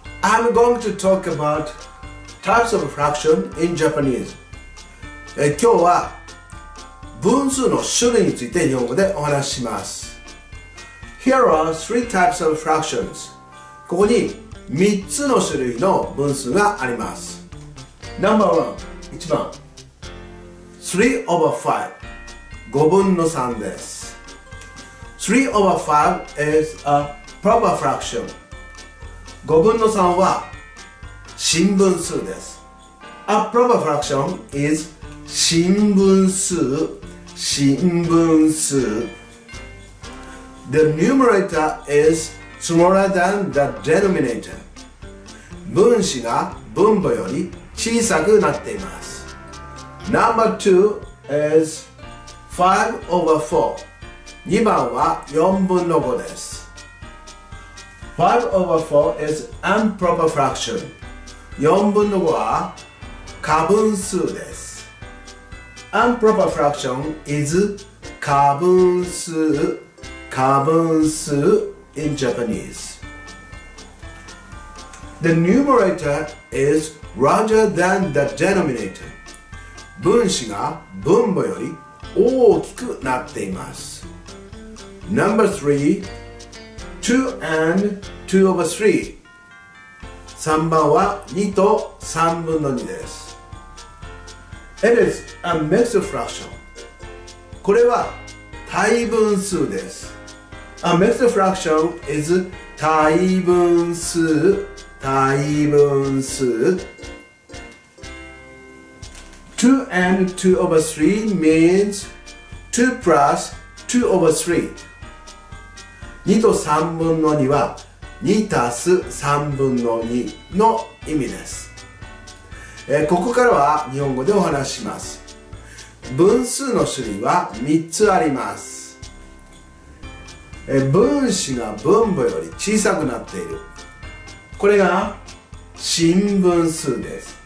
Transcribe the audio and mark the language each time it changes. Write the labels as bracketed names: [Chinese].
[English] I'm going to talk about types of fraction in Japanese. [Japanese] 今日は分数の種類について日本語でお話しします。 [English] Here are three types of fractions. [Japanese] ここに3つの種類の分数があります。 [English] Number one, [Japanese] 1番 [English] 3 over 5 [Japanese] 5分の3です。 [English] 3 over 5 is a proper fraction. [Japanese] 5分の3は真分数です。 [English] A proper fraction is 真分数、真分数。 The numerator is smaller than the denominator. [Japanese] 分子が分母より小さくなっています。 [English] Number 2 is 5 over 4. [Japanese] 2番は4分の5です。 [English] 5 over 4 is an improper fraction. [Japanese] 4分の5は過分数です。 [English] An improper fraction is 過分数、過分数 in Japanese. The numerator is larger than the denominator. [Japanese] 分子が分母より大きくなっています。 [English] Number 3, 2 and 2 over 3. [Japanese] 3番は2と3分の2です。 [English] It is a mixed fraction. [Japanese] これは対分数です。 [English] A mixed fraction is 対分数、対分数。 2 and 2 over 3 means 2 plus 2 over 3. [Japanese] 2と3分の2は2たす3分の2の意味です、ここからは日本語でお話します。分数の種類は3つあります、分子が分母より小さくなっている、これが真分数です。